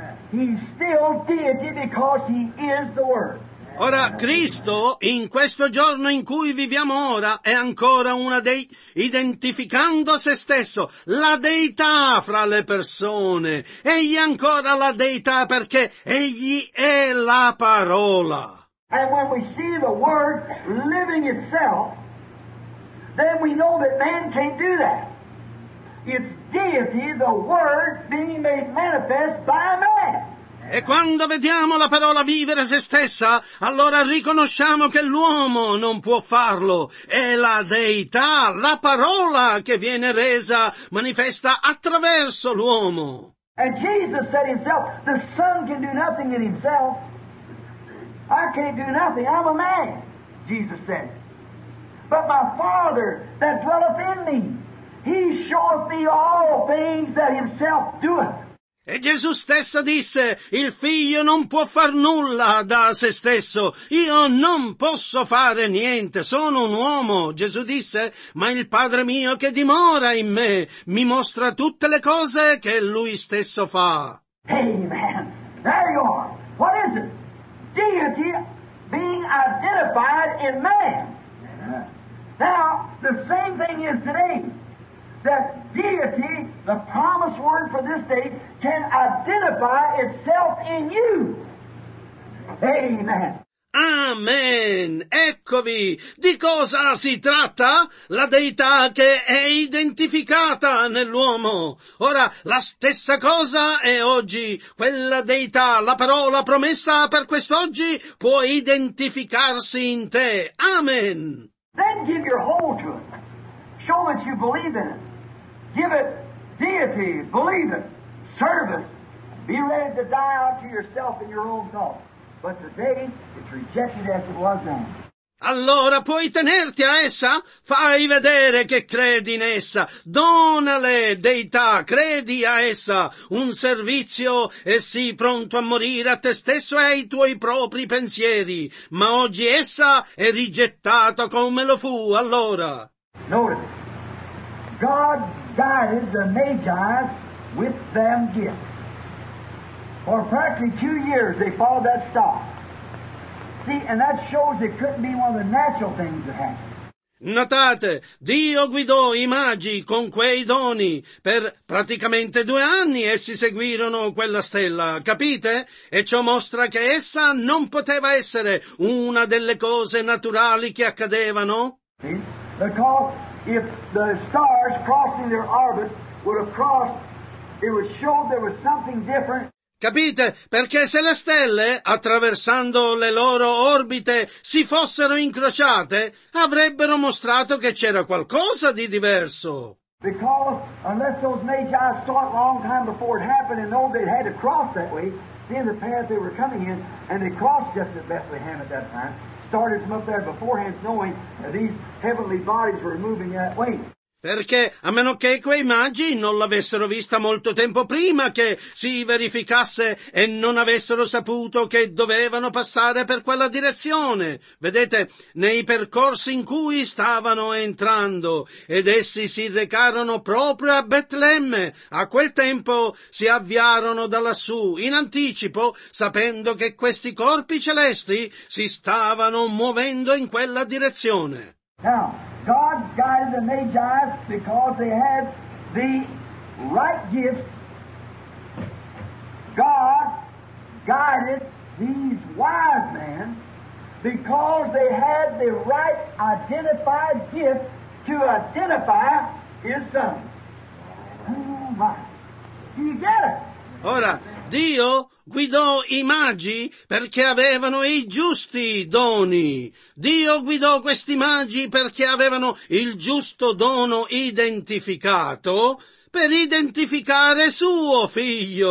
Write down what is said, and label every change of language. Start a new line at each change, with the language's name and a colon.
English: He's still deity because he is the Word.
Italian: Ora, Cristo, in questo giorno in cui viviamo ora, è ancora una dei, identificando se stesso, la deità fra le persone. Egli è ancora la deità perché egli è la parola.
English: And when we see the Word living itself, then we know that man can't do that. It's deity, the Word being made manifest by man.
Italian: E quando vediamo la parola vivere se stessa, allora riconosciamo che l'uomo non può farlo. È la deità, la parola che viene resa manifesta attraverso l'uomo.
English: And Jesus said himself, the Son can do nothing in himself. I can't do nothing. I'm a man, Jesus said. But my Father that dwelleth in me, he showeth me all things that himself doeth.
Italian: E Gesù stesso disse, il figlio non può far nulla da se stesso, io non posso fare niente, sono un uomo. Gesù disse, ma il Padre mio che dimora in me, mi mostra tutte le cose che lui stesso fa.
English: Hey man, there you are. What is it? Deity being identified in man. Now, the same thing is today. That deity, the promised word for this day, can identify itself in you. Amen.
Italian: Amen! Eccovi! Di cosa si tratta? La deità che è identificata nell'uomo. Ora, la stessa cosa è oggi. Quella deità, la parola promessa per quest'oggi, può identificarsi in te. Amen!
English: Then give your whole to it. Show that you believe in it. Give it deity, believe it, service. Be ready to die out to yourself in your own thoughts. But today, it's rejected as it was then.
Italian: Allora puoi tenerti a essa? Fai vedere che credi in essa. Donale deità, credi a essa. Un servizio e sii pronto a morire a te stesso e ai tuoi propri pensieri. Ma oggi essa è rigettata come lo fu allora.
English: Notice, God guided the Magi with them gifts. For practically 2 years they followed that star. See, and that shows it couldn't be one of the natural things that happened.
Italian: Notate, Dio guidò i magi con quei doni. Per praticamente 2 anni essi seguirono quella stella, capite? E ciò mostra che essa non poteva essere una delle cose naturali che accadevano.
English: See? Because if the stars crossing their orbit would have crossed, it would show there was something different.
Italian: Capite? Perché se le stelle, attraversando le loro orbite, si fossero incrociate, avrebbero mostrato che c'era qualcosa di diverso.
English: Because unless those magi saw it a long time before it happened and know they had to cross that way, then the path they were coming in, and they crossed just at Bethlehem at that time, started from up there beforehand knowing that these heavenly bodies were moving that way.
Italian: Perché, a meno che quei magi non l'avessero vista molto tempo prima che si verificasse e non avessero saputo che dovevano passare per quella direzione, vedete, nei percorsi in cui stavano entrando, ed essi si recarono proprio a Betlemme, a quel tempo si avviarono da lassù, in anticipo, sapendo che questi corpi celesti si stavano muovendo in quella direzione.
English: Now, God guided the Magi because they had the right gifts. God guided these wise men because they had the right identified gift to identify His Son. Oh my. Do you get it?
Italian: Ora, Dio guidò i magi perché avevano i giusti doni. Dio guidò questi magi perché avevano il giusto dono identificato per identificare suo figlio.